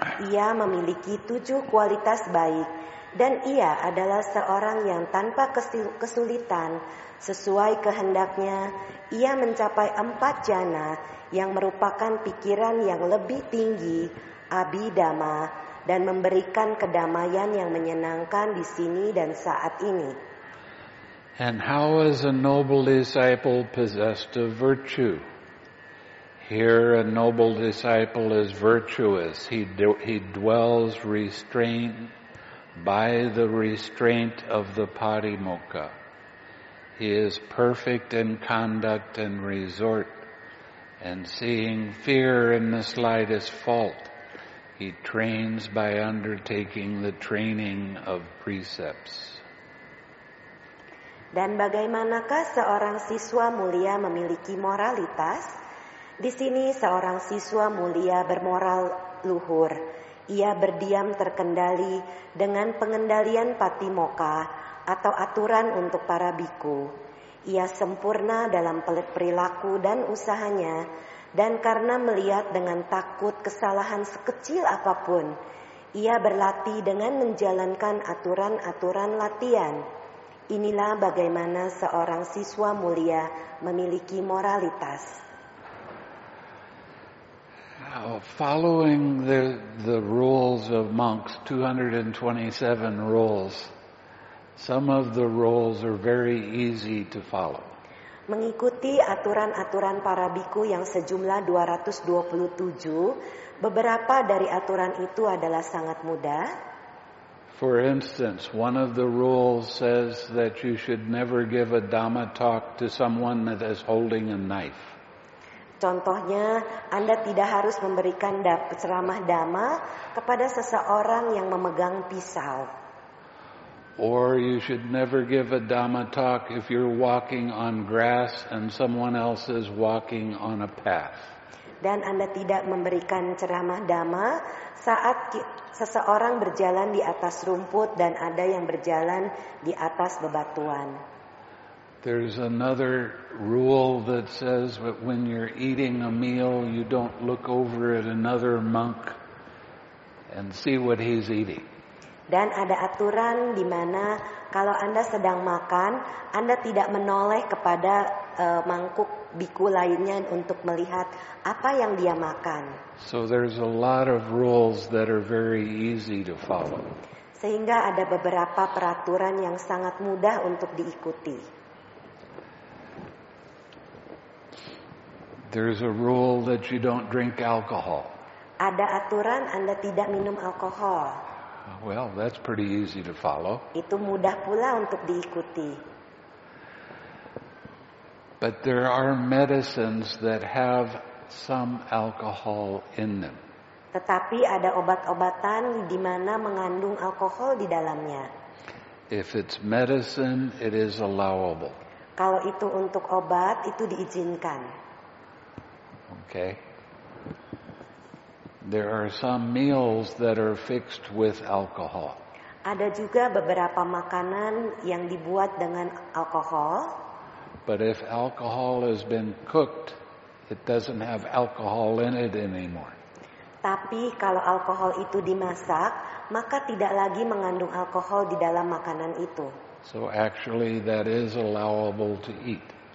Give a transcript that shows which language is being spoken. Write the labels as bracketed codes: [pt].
[id] Ia memiliki 7 kualitas baik, dan ia adalah seorang yang tanpa kesulitan, sesuai kehendaknya, ia mencapai 4 jhana yang merupakan pikiran yang lebih tinggi, Abhidhamma, dan memberikan kedamaian yang menyenangkan di sini dan saat ini. [en] And how is a noble disciple possessed of virtue? Here a noble disciple is virtuous. He dwells restrained by the restraint of the Parimokkha. He is perfect in conduct and resort, and seeing fear in the slightest fault, he trains by undertaking the training of precepts. [id] Dan bagaimanakah seorang siswa mulia memiliki moralitas? Di sini seorang siswa mulia bermoral luhur. Ia berdiam terkendali dengan pengendalian patimokkha atau aturan untuk para bhikkhu. Ia sempurna dalam perilaku dan usahanya, dan karena melihat dengan takut kesalahan sekecil apapun, ia berlatih dengan menjalankan aturan-aturan latihan. Inilah bagaimana seorang siswa mulia memiliki moralitas. [en] Following the rules of monks, 227 rules, some of the rules are very easy to follow. [id] Mengikuti aturan-aturan para bhikkhu yang sejumlah 227, beberapa dari aturan itu adalah sangat mudah. [en] For instance, one of the rules says that you should never give a Dhamma talk to someone that is holding a knife. [id] Contohnya, Anda tidak harus memberikan ceramah Dhamma kepada seseorang yang memegang pisau. [en] Or you should never give a Dhamma talk if you're walking on grass and someone else is walking on a path. [id] Dan Anda tidak memberikan ceramah Dhamma saat seseorang berjalan di atas rumput dan ada yang berjalan di atas bebatuan. [en] There's another rule that says that when you're eating a meal, you don't look over at another monk and see what he's eating. [id] Dan ada aturan di mana kalau Anda sedang makan, Anda tidak menoleh kepada mangkuk bhikkhu lainnya untuk melihat apa yang dia makan. [en] So there's a lot of rules that are very easy to follow. [id] Sehingga ada beberapa peraturan yang sangat mudah untuk diikuti. [en] There's a rule that you don't drink alcohol. [id] Ada aturan Anda tidak minum alkohol. [en] Well, that's pretty easy to follow. [id] Itu mudah pula untuk diikuti. [en] But there are medicines that have some alcohol in them. [id] Tetapi ada obat-obatan di mana mengandung alkohol di dalamnya. [en] If it's medicine, it is allowable. [id] Kalau itu untuk obat, itu diizinkan. [en] Okay. There are some meals that are fixed with alcohol. [id] Ada juga beberapa makanan yang dibuat dengan alkohol. [en] But if alcohol has been cooked, it doesn't have alcohol in it anymore. [id] Tapi kalau alkohol itu dimasak, maka tidak lagi mengandung alkohol di dalam makanan itu. [en] So actually that is allowable to eat.